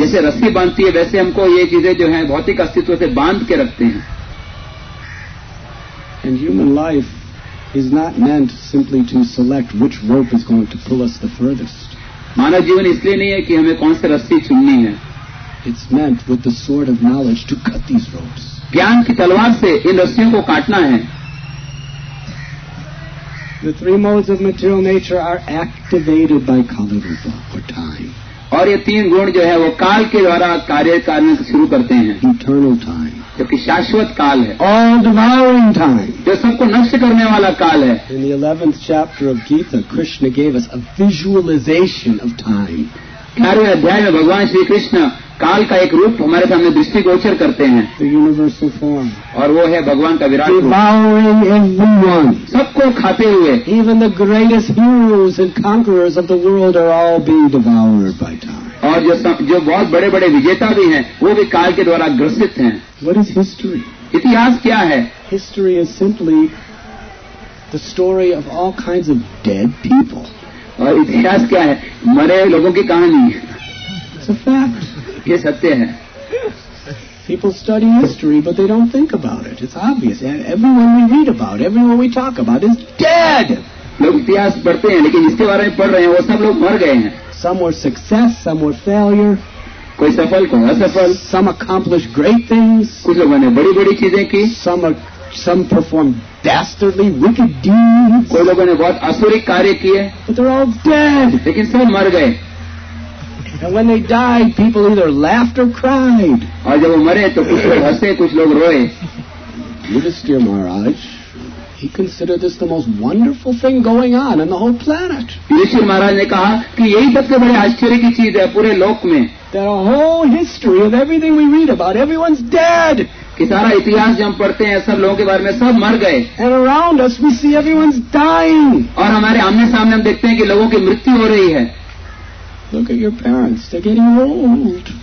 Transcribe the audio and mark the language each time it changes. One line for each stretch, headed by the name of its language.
Hindi: जैसे रस्सी बांधती है वैसे हमको ये चीजें जो हैं भौतिक अस्तित्व से बांध के रखते हैं.
English: And human life is not meant simply to select which rope is going to pull us the furthest.
Hindi: मानव जीवन इसलिए नहीं है कि हमें कौन से रस्सी चुननी है.
English: It's meant with the sword of knowledge to cut these ropes.
Hindi: ज्ञान की तलवार से इन रस्सियों को काटना है.
English: The three modes of material nature are activated by kalarupa or time.
Hindi: और ये तीन गुण जो है वो काल के द्वारा कार्य करने शुरू करते हैं.
English: Eternal time.
Hindi: जबकि शाश्वत काल है.
English: All devouring time.
Hindi: जो सबको नष्ट करने वाला काल है.
English: In the 11th chapter of Gita, Krishna gave us a visualization of time.
Hindi: ग्यारहवें अध्याय में भगवान श्री कृष्ण काल का एक रूप हमारे सामने दृष्टिगोचर करते हैं.
English: Universal form.
Hindi: और वो है भगवान का विराट रूप.
English: Devouring everyone.
Hindi: सबको खाते हुए.
English: Even the greatest heroes and conquerors of the world are all being devoured by time.
Hindi: और जो बहुत बड़े बड़े विजेता भी हैं वो भी काल के द्वारा ग्रसित हैं.
English: What is history.
Hindi: इतिहास क्या है.
English: History is simply the story of all kinds of dead people.
Hindi: और इतिहास क्या है. मरे लोगों की कहानी.
English: It's a fact.
Hindi: ये सत्य है.
English: People study history, but they don't think about it. It's obvious. Everyone we read about, everyone we talk about is dead.
Hindi: लोग इतिहास पढ़ते हैं लेकिन इसके बारे में पढ़ रहे हैं वो सब लोग मर गए हैं.
English: Some were success, some were failure.
Hindi: कोई सफल कोई असफल.
English: Some accomplished great things.
Hindi: कुछ लोगों ने बड़ी बड़ी चीजें की.
English: Some performed dastardly, wicked deeds.
Hindi: कोई लोगों ने बहुत असुरी कार्य किए.
English: But they're all dead.
Hindi: लेकिन सब मर गए.
English: And when they died, people either laughed or cried.
Hindi: और जब वो मरे तो कुछ लोग हंसे कुछ लोग रोए.
English: Yudhishthira Maharaj, he considered this the most wonderful thing going on in the whole planet.
Hindi: Yudhishthir महाराज ने कहा कि यही सबसे बड़े आश्चर्य की चीज है पूरे लोक में.
English: That a whole history of everything we read about, everyone's dead.
Hindi: कि सारा इतिहास जो हम पढ़ते हैं सब लोगों के बारे में सब मर गए.
English: And around us we see everyone's dying.
Hindi: और हमारे आमने सामने हम देखते हैं कि लोगों की मृत्यु हो रही है.
English: Look at your parents, they're getting old.